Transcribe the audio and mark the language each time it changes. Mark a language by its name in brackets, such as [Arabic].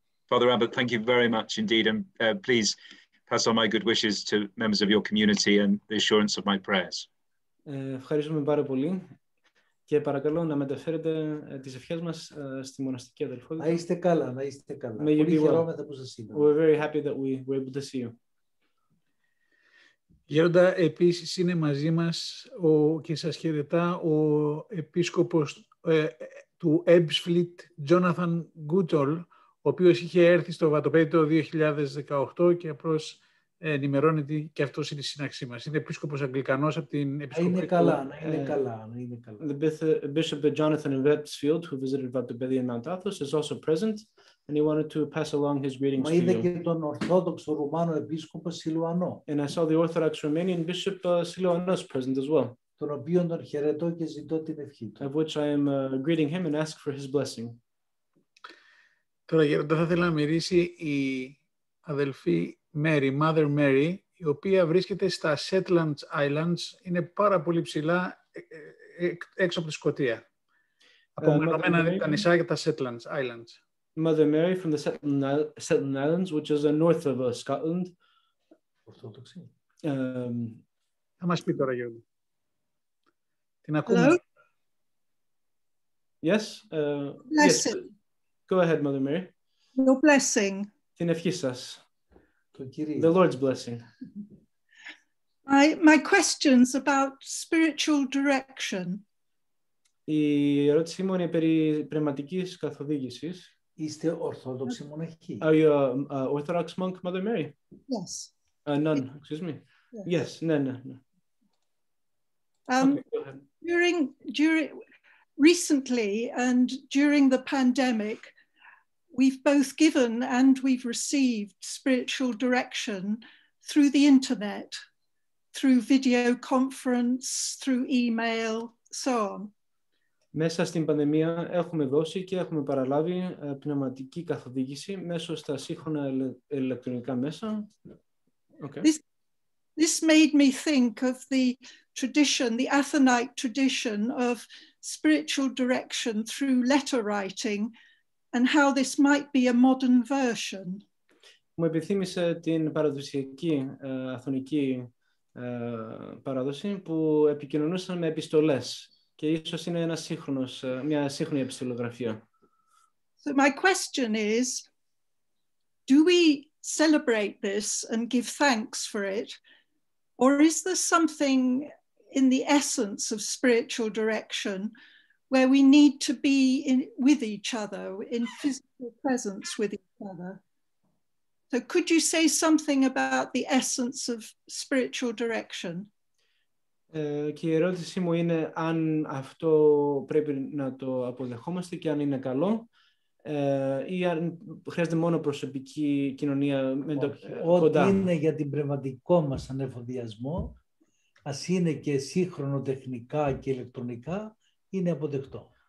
[English] Father Abbott, thank you very much indeed, and please pass on my good wishes to members of your community and the assurance of my prayers. [Greek] Ευχαριστούμε πάρα πολύ και παρακαλώ να μεταφέρετε τις ευχές μας στη μοναστική αδελφότητα. Να είστε καλά, να είστε καλά. Πολύ χαιρόμαστε που σας είδαμε. [English] We're very happy that we were able to see you. [Greek] Γέροντα, επίσης είναι μαζί μας και σας χαιρετά ο επίσκοπος του Ebbsfleet, Jonathan Goodall, ο οποίος είχε έρθει στο Βατοπέδι το 2018 και απλώς ενημερώνεται και αυτός είναι η σύναξή μας. Είναι επίσκοπος Αγγλικανός από την Επισκοπή. Είναι καλά, είναι καλά. [English] The Bishop Jonathan in Ebbsfleet, who visited Βατοπέδι in Mount Athos, is also present, and he wanted to pass along his greetings to you. [Greek] Μα είδε και τον Ορθόδοξο Ρουμάνο Επίσκοπο Σιλουανό. [English] And I saw the Orthodox Romanian Bishop Siluanos present as well. [Greek] Τον οποίον τον χαιρετώ και ζητώ την ευχή του. [English] Of which I am greeting him and ask for his blessing. [Greek] Τώρα, Γέροντα, θα ήθελα να μυρίσει η αδελφή Mary, Mother Mary, η οποία βρίσκεται στα Shetland Islands, είναι πάρα πολύ ψηλά έξω από τη Σκωτία. Απομονωμένα τα νησάκια, τα Shetland Islands. [English] Mother Mary from the Shetland Islands, which is north of Scotland. [Greek] Ορθόδοξη. Θα μας πει τώρα, Γιώργο. Την ακούμε. [English] Yes. Blessing. Yes. Go ahead, Mother Mary. Your blessing. [Greek] Την ευχή σας. Το Κύριε. [English] The Lord's blessing. My questions about spiritual direction. [Greek] Η ερώτησή μου είναι περί πνευματικής καθοδήγησης. Είστε Ορθόδοξη μοναχή. [English] Are you an Orthodox monk, Mother Mary? Yes. A nun, excuse me. Yes, no. Okay, during the pandemic, we've both given and we've received spiritual direction through the internet, through video conference, through email, so on. [Greek] Μέσα στην πανδημία έχουμε δώσει και έχουμε παραλάβει πνευματική καθοδήγηση μέσω στα σύγχρονα ηλεκτρονικά μέσα. [English] Okay. This made me think of the tradition, the Athenite tradition of spiritual direction through letter writing and how this might be a modern version. [Greek] Μου επιθύμησε την παραδοσιακή αθωνική παράδοση που επικοινωνούσαν με επιστολές. Και ίσως είναι ένα σύγχρονος, μια σύγχρονη επιστολογραφία. [English] So my question is, do we celebrate this and give thanks for it, or is there something in the essence of spiritual direction where we need to be with each other, in physical presence with each other? So could you say something about the essence of spiritual direction? [Greek] Και η ερώτησή μου είναι αν αυτό πρέπει να το αποδεχόμαστε και αν είναι καλό ή αν χρειάζεται μόνο προσωπική κοινωνία με το κοντά. Ό,τι είναι για την πνευματικό μας ανεφοδιασμό, ας είναι και σύγχρονο τεχνικά και ηλεκτρονικά, είναι αποδεκτό.